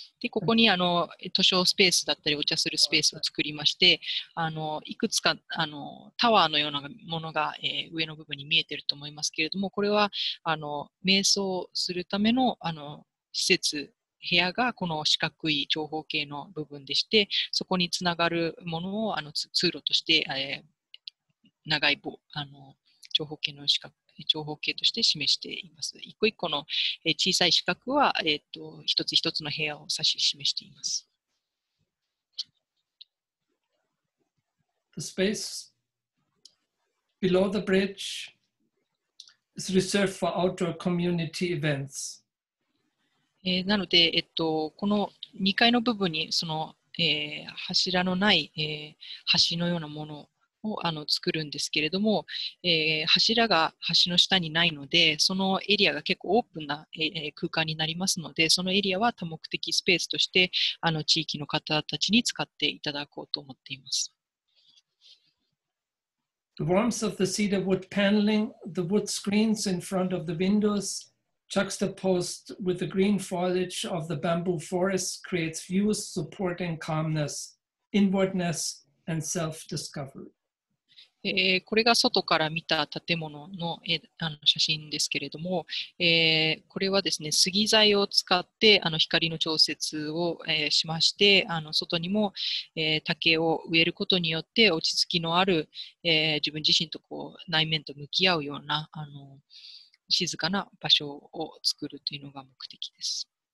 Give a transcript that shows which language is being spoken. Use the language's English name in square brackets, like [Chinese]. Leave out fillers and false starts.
[Japanese] で、ここに図書スペースだったり、お茶するスペースを作りまして、いくつかタワーのようなものが、上の部分に見えていると思いますけれども、これは瞑想するための施設、部屋がこの四角い長方形の部分でして、そこにつながるものを通路として、長い棒、長方形の四角長方形として示しています。一個一個の小さい四角は、一つ一つの部屋を指し示しています。 [English] The space below the bridge is reserved for outdoor community events. [Japanese] なので、この2階の部分にその、柱のない、橋のようなものを作るんですけれども、柱が橋の下にないので、そのエリアが結構オープンな空間になりますので、そのエリアは多目的スペースとして地域の方たちに使っていただこうと思っています。 [English] The warmth of the cedar wood paneling, the wood screens in front of the windows, juxtaposed with the green foliage of the bamboo forest creates views supporting calmness, inwardness, and self-discovery. [Japanese] これが外から見た建物の写真ですけれども、これはですね、杉材を使って光の調節をしまして、外にも竹を植えることによって落ち着きのある自分自身とこう内面と向き合うような静かな場所を作るというのが目的です。